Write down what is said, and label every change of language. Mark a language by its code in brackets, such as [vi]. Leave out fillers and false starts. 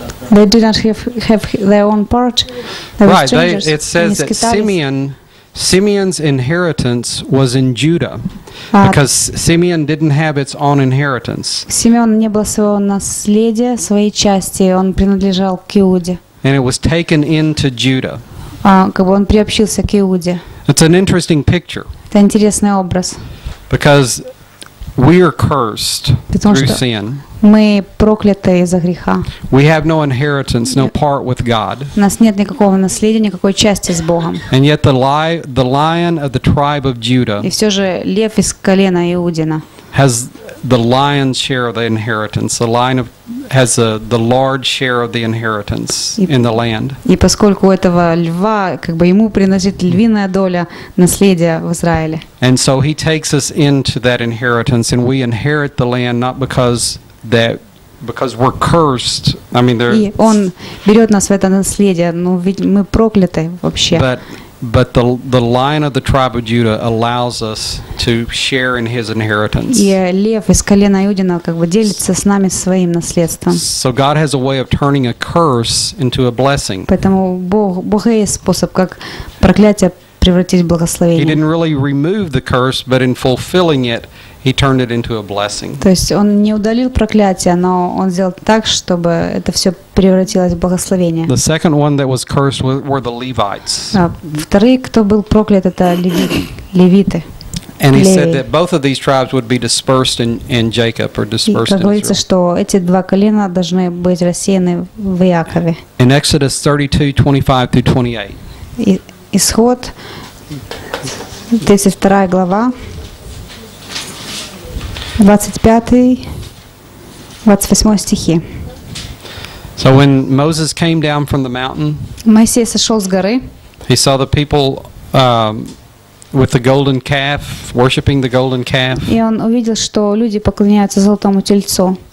[en] They did not have their own part. Right. It says that Simeon's inheritance was in Judah, because Simeon didn't have its own inheritance. [ru] Симеон не было своего наследия, своей части. Он принадлежал к Иуде. [en] And it was taken into Judah. [ru] Как бы он приобщился к Иуде. [en] It's an interesting picture. [ru] Это интересный образ. [en] Because we are cursed through sin. [ru] Мы прокляты из-за греха. [en] We have no inheritance, no part with God. [ru] У нас нет никакого наследия, никакой части с Богом. [en] And yet the lion of the tribe of Judah. [ru] И все же лев из колена Иудина. [en] Has the lion's share of the inheritance. The lion of has the large share of the inheritance in the land. [ru] И поскольку у этого льва, как бы ему принадлежит львиная доля наследия в Израиле. [en] And so he takes us into that inheritance, and we inherit the land not because we're cursed. I mean, there. [ru] И он берет нас в это наследие, но ведь мы прокляты вообще. [en] But the line of the tribe of Judah allows us to share in his inheritance. [ru] И лев из колена Иудина как бы делится с нами своим наследством. [en] So God has a way of turning a curse into a blessing. [ru] Поэтому Бог есть способ, как проклятие превратить в благословение. [en] He didn't really remove the curse, but in fulfilling it, he turned it into a blessing. [ru] То есть он не удалил проклятие, но он сделал так, чтобы это все превратилось в благословение. [en] The second one that was cursed were the Levites. [ru] Вторые, кто был проклят, это левиты. [en] And he said that both of these tribes would be dispersed in Jacob or dispersed in Israel. [ru] И говорится, что эти два колена должны быть рассеяны в Иакове. [en] In Exodus 32:25-28. [ru] Исход 32 глава. 25-28 стихи. [en] So when Moses came down from the mountain, [ru] Моисей сошел с горы. [en] He saw the people with the golden calf, worshiping the golden calf. [ru] И он увидел, что люди поклоняются золотому тельцу.